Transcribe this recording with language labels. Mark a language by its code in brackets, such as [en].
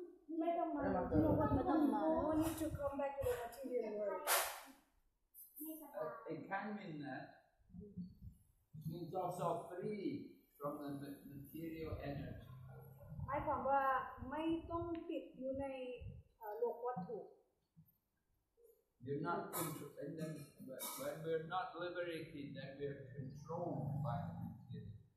[en] We need to come back to the material world. It can mean that. It means also free from the material energy. [th] หมายความว่าไม่ต้องติดอยู่ในโลกวัตถุ [en] You're not controlled, and then when we're not liberated, then we're controlled by the material.